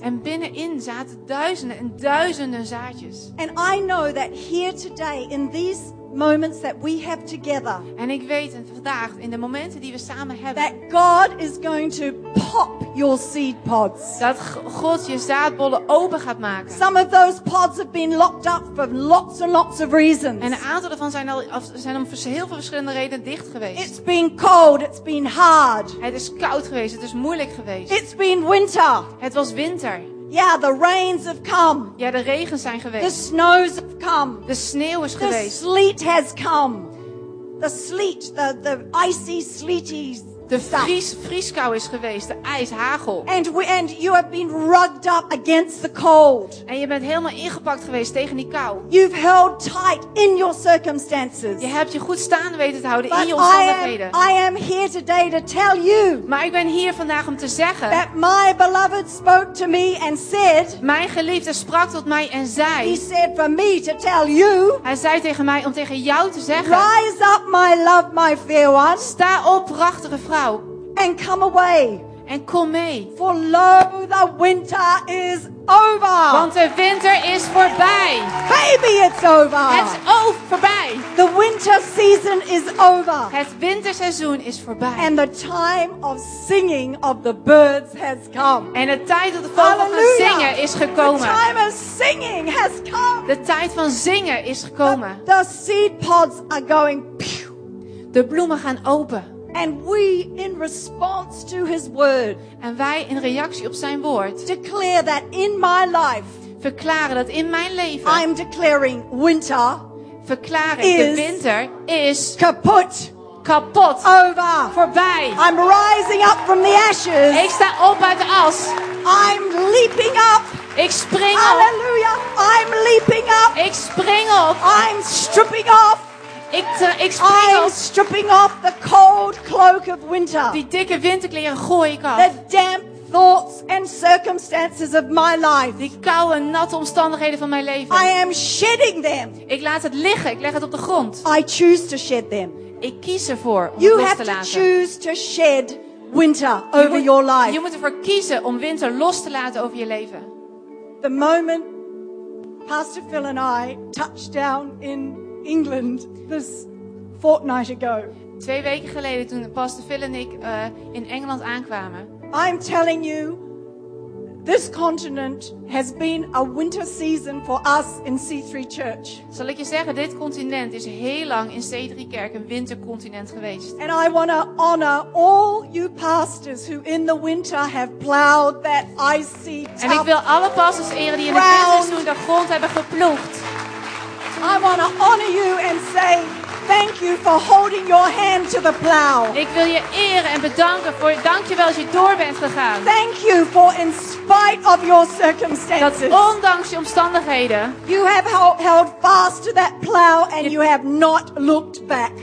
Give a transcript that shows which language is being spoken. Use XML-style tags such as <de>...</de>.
<nl>En binnenin zaten duizenden en duizenden zaadjes.</nl> <en>And I know that here today in these moments that we have together.</en> <nl>En ik weet en vandaag in de momenten die we samen hebben.</nl> <en>That God is going to pop your seed pods.</en> <nl>Dat God je zaadbollen open gaat maken.</nl> <en>Some of those pods have been locked up for lots and lots of reasons.</en> <nl>En een aantal ervan zijn om heel veel verschillende redenen dicht geweest.</nl> <en>It's been cold, it's been hard.</en> <nl>Het is koud geweest, het is moeilijk geweest.</nl> <en>It's been winter.</en> <nl>Het was winter.</nl> <en>Yeah, the rains have come.</en> <nl>Ja, de regens zijn geweest.</nl> <en>The snows have come.</en> <nl>De sneeuw is</nl> <en>the</en> <nl>geweest.</nl> <en>The sleet has come. The sleet, the icy sleety stuff.</en> <nl>De vrieskou is geweest, de ijshagel.</nl> <en>And you have been rugged up against the cold.</en> <nl>En je bent helemaal ingepakt geweest tegen die kou.</nl> <en>You've held tight in your circumstances.</en> <nl>Je hebt je goed staan weten te houden</nl> <en>but</en> <nl>in je omstandigheden.</nl> <en>I am here today to tell you.</en> <nl>Maar ik ben hier vandaag om te zeggen.</nl> <en>That my beloved spoke to me and said.</en> <nl>Mijn geliefde sprak tot mij en zei.</nl> <en>He said for me to tell you.</en> <nl>Hij zei tegen mij om tegen jou te zeggen.</nl> <en>Rise up, my love, my fair one.</en> <nl>Sta op, prachtige vrouw.</nl> <en>And come away.</en> <nl>En kom mee.</nl> <en>For lo, the winter is over.</en> <nl>Want de winter is voorbij.</nl> <en>Baby, it's over.</en> <nl>Het is voorbij.</nl> <en>The winter season is over.</en> <nl>Het winterseizoen is voorbij.</nl> <en>And the time of singing of the birds has come.</en> <nl>En de tijd dat de vogels gaan zingen is gekomen.</nl> <en>The time of singing has come.</en> <nl>De tijd van zingen is gekomen.</nl> <en>The seed pods are going. Pew.</en> <nl>De bloemen gaan open.</nl> <en>And we, in response to his word,</en> <nl>en wij in reactie op zijn woord,</nl> <en>declare that in my life,</en> <nl>verklaren dat in mijn leven,</nl> <en>I'm declaring winter,</en> <nl>verklaren ik de winter is kapot, kapot,</nl> <en>over,</en> <nl>voorbij.</nl> <en>I'm rising up from the ashes.</en> <nl>Ik sta op uit de as.</nl> <en>I'm leaping up.</en> <nl>Ik spring</nl> <en>op. Hallelujah. I'm leaping up.</en> <nl>Ik spring op.</nl> <en>I'm stripping off. I'm stripping off the cold cloak of winter.</en> <nl>Die dikke winterkleren gooi ik af.</nl> <en>The damp thoughts and circumstances of my life.</en> <nl>Die koude, natte omstandigheden van mijn leven.</nl> <en>I am shedding them.</en> <nl>Ik laat het liggen. Ik leg het op de grond.</nl> <en>I choose to shed them.</en> <nl>Ik kies ervoor om</nl> <en>you</en> <nl>het los te laten.</nl> <en>You have to choose to shed winter over your life.</en> <nl>Je moet ervoor kiezen om winter los te laten over je leven.</nl> <en>The moment Pastor Phil and I touched down in England this fortnight ago.</en> <nl>2 weken geleden toen Pastor Phil en ik in Engeland aankwamen.</nl> <en>I'm telling you, this continent has been a winter season for us in C3 Church.</en> <nl>Zal ik je zeggen, dit continent is heel lang in C3 Kerk een wintercontinent geweest.</nl> <en>And I want to honor all you pastors who in the winter have plowed that icy tough.</en> <nl>En ik wil alle pastors eren die in de winterseizoen de grond hebben geploegd.</nl> <en>I want to honor you and say thank you for holding your hand to the plow.</en> <nl>Ik wil je eren en bedanken voor dankjewel dat je door bent gegaan.</nl> <en>Thank you for in spite of your circumstances.</en> <nl>Dat ondanks je omstandigheden.</nl> <en>You have held fast to that plow and you have not looked back.</en>